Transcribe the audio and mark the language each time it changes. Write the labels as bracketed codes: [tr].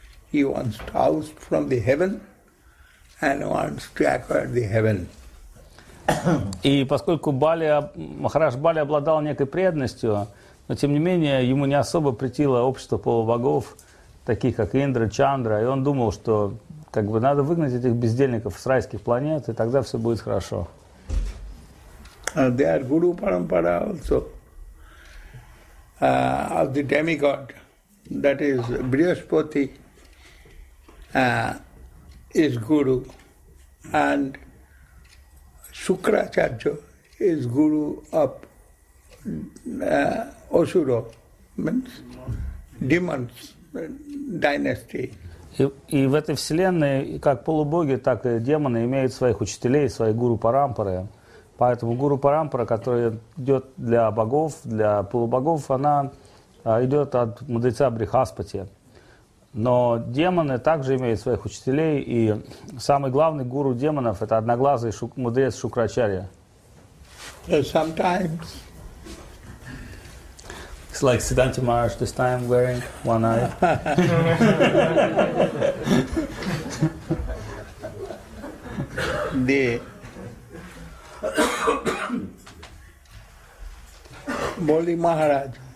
[en] He wants to oust from the heaven and wants to acquire the heaven. [ru] И поскольку Махарадж Бали обладал некой преданностью, но тем не менее ему не особо претило общество полубогов, таких как Индра, Чандра, и он думал, что как бы надо выгнать этих бездельников с райских планет, и тогда все будет хорошо. [en] They are Guru Parampara also, of the demigod, that is Brihaspati. Is Guru, and Shukracharya is Guru of Asura, means demons dynasty. [ru] И в этой вселенной как полубоги, так и демоны имеют своих учителей, свои гуру парампары. Поэтому гуру парампара, которая идет для богов, для полубогов, она идет от мудреца Брихаспати. Но демоны также имеют своих учителей, и самый главный гуру демонов – это одноглазый мудрец Шукрачарья. [en] Sometimes. It's like Siddhanta Maharaj this time wearing one eye. The Boli Maharaj.